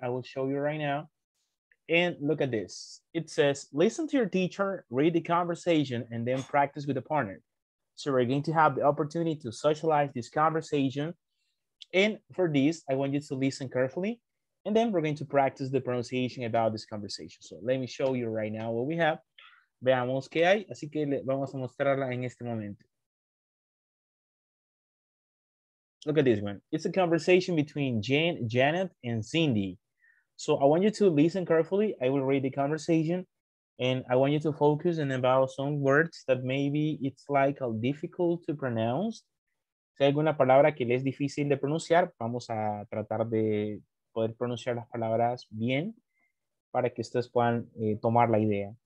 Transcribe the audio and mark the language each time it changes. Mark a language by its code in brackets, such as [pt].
[en] I will show you right now. And look at this. It says, listen to your teacher, read the conversation, and then practice with a partner. So we're going to have the opportunity to socialize this conversation. And for this, I want you to listen carefully. And then we're going to practice the pronunciation about this conversation. So let me show you right now what we have. [es] Veamos qué hay. Así que le vamos a mostrarla en este momento. [en] Look at this one. It's a conversation between Jane, Janet, and Cindy. So I want you to listen carefully. I will read the conversation. And I want you to focus on about some words that maybe it's like a difficult to pronounce. [es] Si hay alguna palabra que le es difícil de pronunciar, vamos a tratar de poder pronunciar las palabras bien para que ustedes puedan tomar la idea.